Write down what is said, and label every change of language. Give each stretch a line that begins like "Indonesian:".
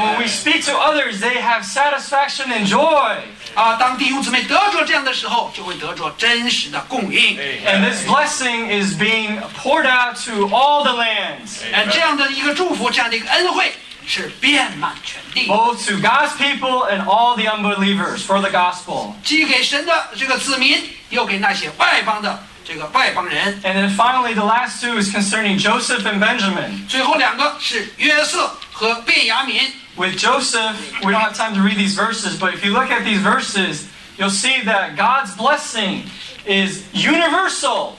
English: when we speak to others, they have satisfaction and joy.
Chinese: 当弟兄姊妹得着这样的时候，就会得着真实的供应。
English: And this blessing is being poured out to all the lands.
Chinese: 这样的一个祝福，这样的一个恩惠，是遍满全地。
English: Both to God's people and all the unbelievers for the gospel.
Chinese: 既给神的这个子民，又给那些外邦的这个外邦人。
English: And then finally, the last two is concerning Joseph and Benjamin.
Chinese: 最后两个是约瑟和便雅悯。
English: With Joseph, we don't have time to read these verses, but if you look at these verses, you'll see that God's blessing is universal.